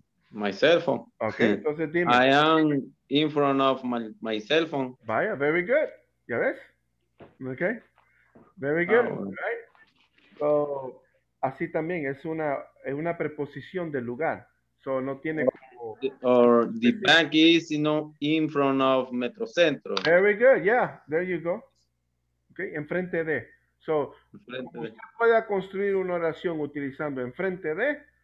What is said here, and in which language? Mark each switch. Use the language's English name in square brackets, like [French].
[English] My cell phone. [Spanish] Ok, entonces dime. [English] I am in front of my cell phone. [Spanish] Vaya, [English] very good. [Spanish] ¿Ya ves? [English] Ok. Very good. Right? [Spanish] So, así también es una preposición del lugar. So no tiene como. [English] Or the bank is in front of Metrocentro. Very good. Yeah. There you go. Ok. [Spanish] Enfrente de. So, enfrente usted de. Puede construir una oración utilizando enfrente de,